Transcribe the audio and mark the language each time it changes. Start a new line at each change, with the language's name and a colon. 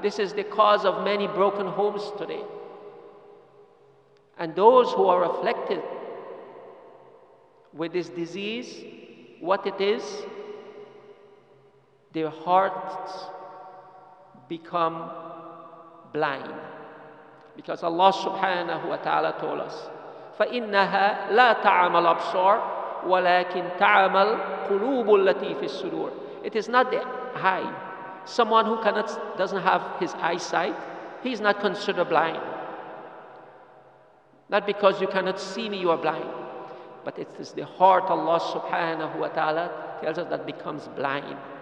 English: This is the cause of many broken homes today. And those who are afflicted with this disease, what it is, their hearts become blind. Because Allah subhanahu wa ta'ala told us,
Arabic: فَإِنَّهَا لَا تَعَمَ الْأَبْصَارِ وَلَكِنْ تَعَمَ الْقُلُوبُ الَّتِي فِي السُّدُورِ.
English: It is not the eye. Someone who cannot, doesn't have his eyesight, he's not considered blind. Not because you cannot see me, you are blind. But it is the heart Allah subhanahu wa ta'ala tells us that becomes blind.